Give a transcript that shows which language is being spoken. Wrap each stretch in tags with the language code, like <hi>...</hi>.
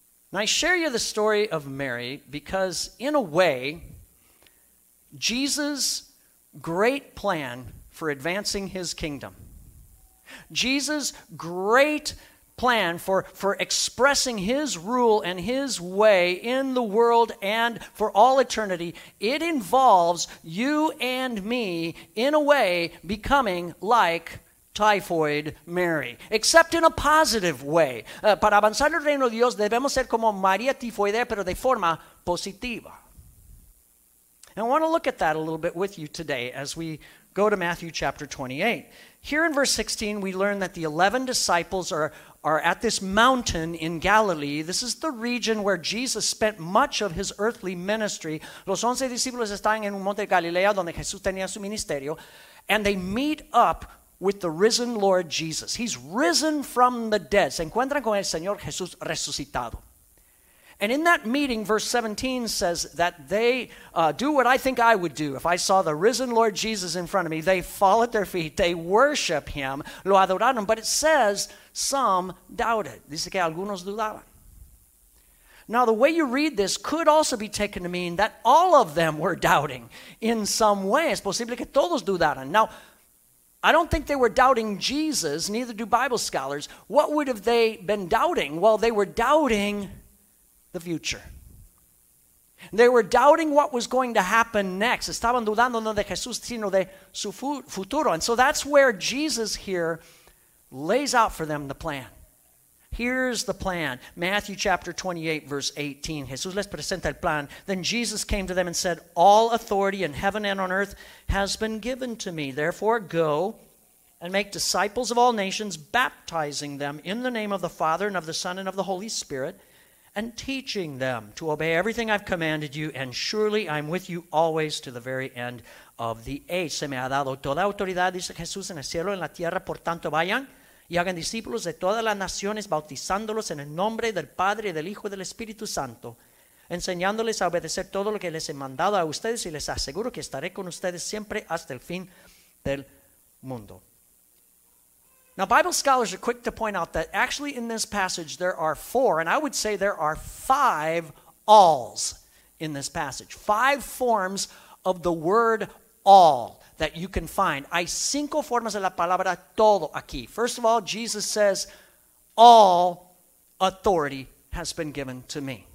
<en>And I share you the story of Mary because, in a way, Jesus' great plan for advancing his kingdom, Jesus' great plan for expressing his rule and his way in the world and for all eternity, it involves you and me in a way becoming like Typhoid Mary, except in a positive way.</en> <es>Para avanzar el reino de Dios debemos ser como María Tifoidea, pero de forma positiva.</es> <en>And I want to look at that a little bit with you today as we go to Matthew chapter 28. Here in verse 16, we learn that the 11 disciples are at this mountain in Galilee. This is the region where Jesus spent much of his earthly ministry.</en> <es>Los 11 discípulos están en un monte de Galilea donde Jesús tenía su ministerio.</es> <en>And they meet up with the risen Lord Jesus. He's risen from the dead.</en> <es>Se encuentran con el Señor Jesús resucitado.</es> <en>And in that meeting, verse 17 says that they do what I think I would do if I saw the risen Lord Jesus in front of me. They fall at their feet. They worship him.</en> <es>Lo adoraron.</es> <en>But it says some doubted.</en> <es>Dice que algunos dudaban.</es> <en>Now, the way you read this could also be taken to mean that all of them were doubting in some way.</en> <es>Es posible que todos dudaran.</es> <en>Now, I don't think they were doubting Jesus, neither do Bible scholars. What would have they been doubting? Well, they were doubting the future. They were doubting what was going to happen next.</en> <es>Estaban dudando no de Jesús, sino de su futuro.</es> <en>And so that's where Jesus here lays out for them the plan. Here's the plan. Matthew chapter 28, verse 18.</en> <es>Jesús les presenta el plan.</es> <en>Then Jesus came to them and said, "All authority in heaven and on earth has been given to me. Therefore, go and make disciples of all nations, baptizing them in the name of the Father and of the Son and of the Holy Spirit, and teaching them to obey everything I've commanded you, and surely I'm with you always to the very end of the age."</en> <es>Se me ha dado toda autoridad, dice Jesús, en el cielo y en la tierra. Por tanto, vayan y hagan discípulos de todas las naciones, bautizándolos en el nombre del Padre, del Hijo y del Espíritu Santo, enseñándoles a obedecer todo lo que les he mandado a ustedes, y les aseguro que estaré con ustedes siempre hasta el fin del mundo.</es> <en>Now, Bible scholars are quick to point out that actually in this passage there are 4, and I would say there are 5 alls in this passage. 5 forms of the word all that you can find.</en> <es>Hay 5 formas de la palabra todo aquí.</es> <en>First of all, Jesus says, "All authority has been given to me."</en>